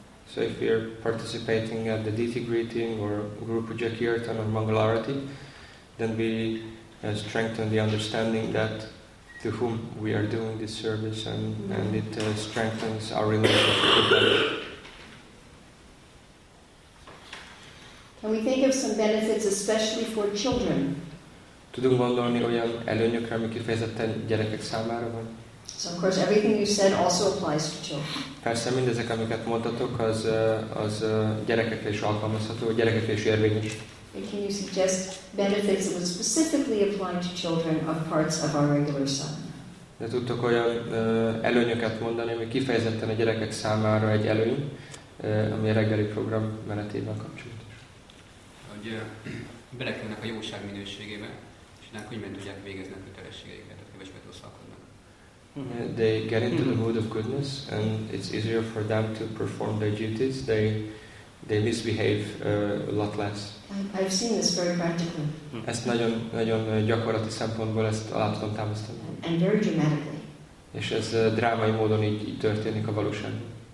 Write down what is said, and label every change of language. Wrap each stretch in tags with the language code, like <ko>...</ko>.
<en>So if we are participating at the Diti greeting or Guru Puja Kirtan or Mangalarati, then we strengthen the understanding that to whom we are doing this service and it strengthens our relationship with them. Can we think of some benefits especially for children?</en> <hu>Tudunk gondolni olyan előnyökre, ami kifejezetten gyerekek számára van?</hu> <en>So of course everything you said also applies to children.</en> <hu>Persze mindezek, amiket mondtatok, az gyerekekre is alkalmazható, gyerekekre is érvényes.</hu> <en>And can you suggest benefits that would specifically apply to children of parts of our regular sadhana?</en> <hu>De tudtok olyan előnyöket mondani, ami kifejezetten a gyerekek számára egy előny, ami a reggeli program menetében kapcsolatos. Hogy belekülnek a jóság minőségébe, és nem könnyen tudják végezni a kötelességeiket, a kevesbetől szakadnak.</hu> <en>They get into the mood of goodness, and it's easier for them to perform their duties. They misbehave a lot less. I've seen this very practically.</en> <hu>Ezt nagyon nagyon gyakorlati szempontból ezt alá tudom támasztani.</hu> <en>And very dramatically.</en> <hu>És ez drámai módon így történik a valóságban.</hu>